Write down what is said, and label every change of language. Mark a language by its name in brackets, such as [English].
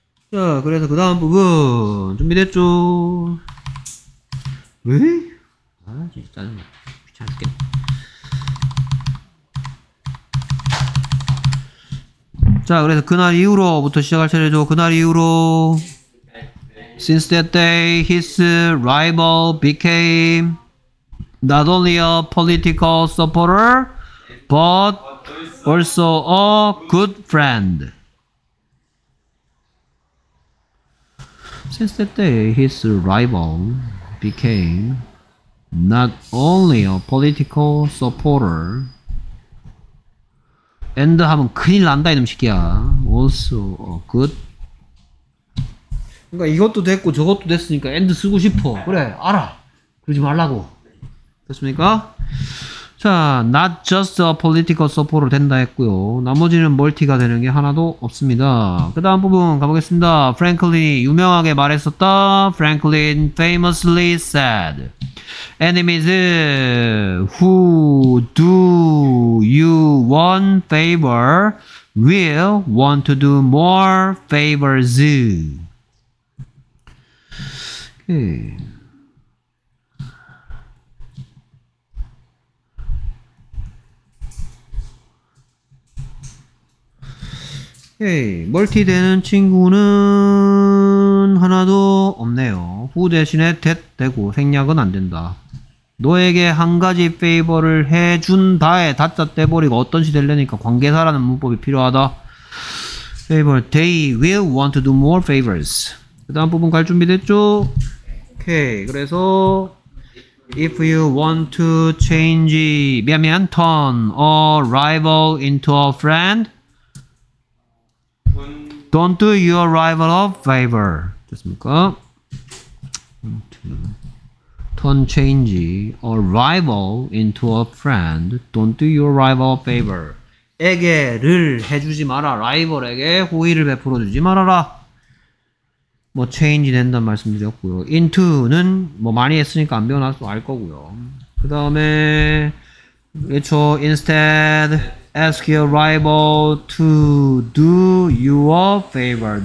[Korean] 자, 그래서 그 다음 부분 준비됐죠? 왜? 아, 진짜 짜증나. 귀찮게. 자, 그래서 그날 이후로부터 시작할 차례죠. 그날 이후로 [English] since that day his rival became not only a political supporter, but also a good friend. Since that day, his rival became not only a political supporter, and [Korean] 하면 큰일 난다, 이놈 새끼야. [English] Also a good. [Korean] 그러니까 이것도 됐고 저것도 됐으니까 and 쓰고 싶어. 그래, 알아. 그러지 말라고. 됐습니까? [English] 자, not just a political support [Korean] 된다 했고요. 나머지는 멀티가 되는 게 하나도 없습니다. 그 다음 부분 가보겠습니다. Franklin이 유명하게 말했었다. [English] Franklin famously said, enemies who do you one favor will want to do more favors. Okay. [Korean] 헤이, 멀티 되는 친구는 하나도 없네요. 후 대신에 that 되고 생략은 안 된다. 너에게 한 가지 페이버를 해준다에 다짜 떼버리고 어떤 시 되려니까 관계사라는 문법이 필요하다. [English] 페이버, they will want to do more favors. [Korean] 그 다음 부분 갈 준비 됐죠? [English] 오케이, 그래서 if you want to change, [Korean] 미안, [English] turn a rival into a friend, don't do your rival a favor. [Korean] 됐습니까? [English] Turn change a rival into a friend. Don't do your rival a favor. [Korean] 에게를 해주지 마라. 라이벌에게 호의를 베풀어 주지 말아라. 뭐 change 된다는 말씀 드렸고요. into는 뭐 많이 했으니까 안 배워놔도 알 거고요. 그 다음에 그렇죠. [English] instead ask your rival to do you a favor.